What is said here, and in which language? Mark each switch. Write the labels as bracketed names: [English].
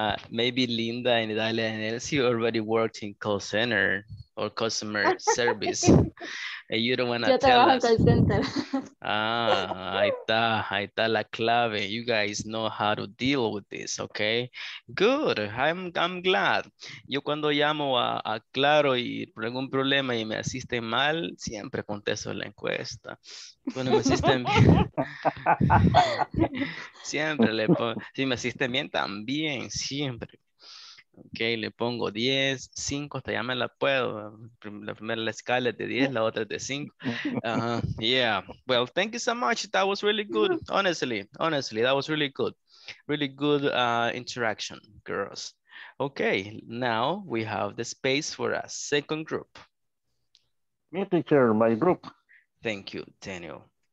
[English] Maybe Linda and Idalia and Elsie already worked in call center or customer service. And you don't want to tell us. Call center. [Spanish] ahí está la clave. [English] You guys know how to deal with this, okay? Good, I'm glad. [Spanish] Yo cuando llamo a Claro y por algún problema y me asisten mal, siempre contesto la encuesta. Cuando me asisten bien, siempre le pongo, si me asisten bien también, siempre. Ok, le pongo 10, 5, hasta ya me la puedo. La primera la escala es de 10, la otra es de 5. [English] Yeah, well, thank you so much. That was really good, honestly, that was really good. Really good interaction, girls. Ok, now we have the space for a second group. Me teacher, my group. Thank you, Daniel.